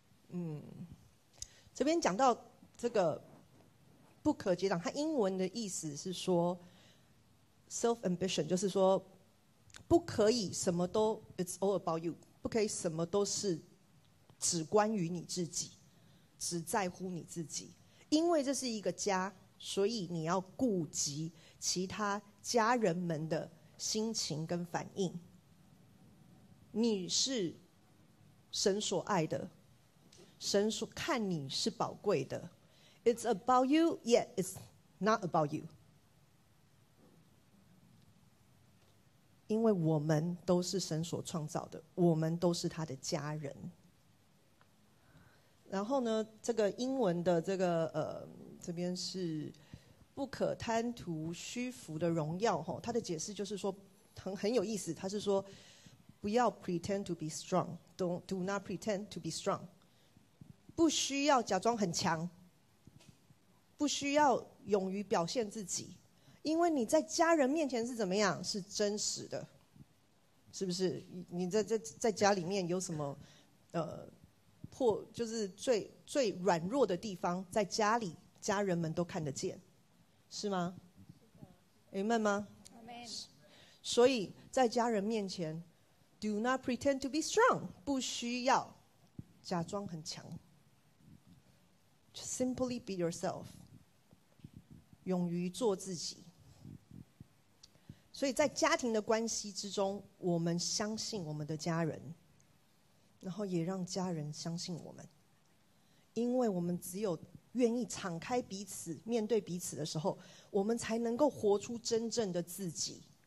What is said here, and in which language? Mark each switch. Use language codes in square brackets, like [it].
[zh] 嗯，这边讲到这个不可结党，它英文的意思是说 [en] self ambition， [zh] 就是说不可以什么都 [en] it's all about you， [zh] 不可以什么都是只关于你自己，只在乎你自己，因为这是一个家，所以你要顾及其他家人们的心情跟反应。你是神所爱的，神所看你是宝贵的。 [en] It's about you, yet it's not about you. [zh] 因为我们都是神所创造的，我们都是他的家人。然后呢，这个英文的这个这边是不可贪图虚浮的荣耀，吼，他的解释就是说 很有意思，他是说不要 [en] pretend to be strong， do not pretend to be strong， [zh] 不需要假装很强，不需要勇于表现自己，因为你在家人面前是怎么样，是真实的，是不是？你 在家里面有什么破，就是最软弱的地方，在家里家人们都看得见，是吗？是的。 Amen 吗？ Amen。所以在家人面前 [en] Do not pretend to be strong， [zh] 不需要假装很强， [en] Just simply be yourself， [zh] 勇于做自己。所以在家庭的关系之中，我们相信我们的家人，然后也让家人相信我们，因为我们只有愿意敞开彼此面对彼此的时候，我们才能够活出真正的自己。